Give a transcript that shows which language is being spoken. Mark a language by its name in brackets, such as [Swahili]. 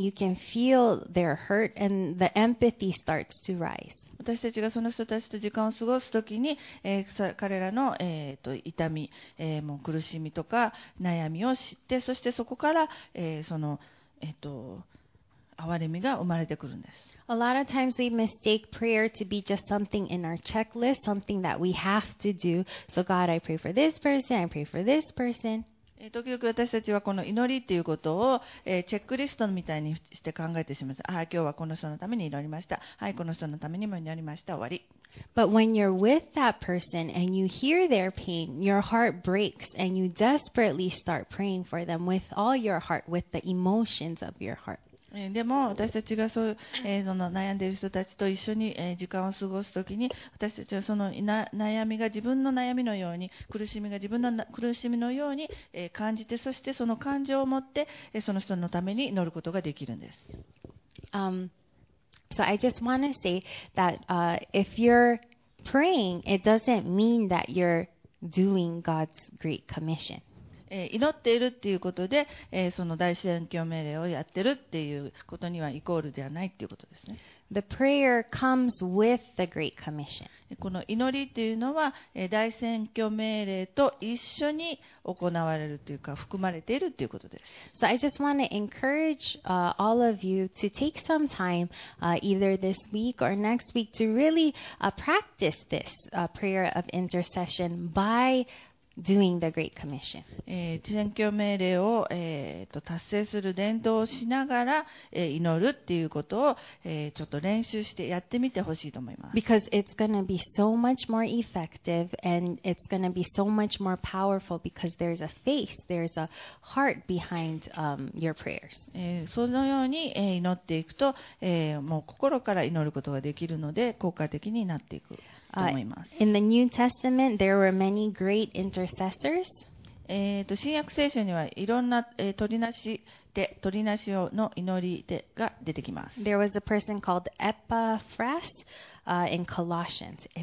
[English] You can feel their hurt and the empathy starts to rise. [Japanese] 私たちがその人たちと時間を過ごすときに、彼らの、痛み、もう苦しみとか悩みを知って、そしてそこから、その、憐れみが生まれてくるんです。 [English] A lot of times we mistake prayer to be just something in our checklist, something that we have to do. So God, I pray for this person, I pray for this person. [Japanese] 時々私たちはこの祈りっていうことを、チェックリストみたいにして考えてしまう。ああ、今日はこの人のために祈りました。はい、この人のためにも祈りました。終わり。 [English] But when you're with that person and you hear their pain, your heart breaks and you desperately start praying for them with all your heart, with the emotions of your heart. [Japanese] でも私たちがそう、その悩んでいる人たちと一緒に、時間を過ごすときに私たちはその悩みが自分の悩みのように苦しみが自分の苦しみのように、感じてそしてその感情を持って、その人のために祈ることができるんです、 [English] So I just want to say that、if you're praying, it doesn't mean that you're doing God's great commission. [Japanese] 祈っているっていうことで、その大宣教命令をやってるっていうことにはイコールではないっていうことですね。 [English] The prayer comes with the Great Commission. [Japanese] この祈りっていうのは、大宣教命令と一緒に行われるというか含まれているっていうことです。 [English] So I just want to encourage, all of you to take some time, either this week or next week to really, practice this, prayer of intercession by doing the Great Commission. [Japanese] 宣教命令を、達成する伝道をしながら、祈るっていうことを、ちょっと練習してやってみてほしいと思います。 [English] Because it's going to be so much more effective and it's going to be so much more powerful because there's a face, there's a heart behind, your prayers. [Japanese] そのように、祈っていくと、もう心から祈ることができるので効果的になっていく。 [English] In the New Testament, there were many great intercessors. [Japanese] 新約聖書にはいろんな、取りなしで、取りなしの祈りでが出てきます。 [English] There was a person called Epaphras, in Colossians.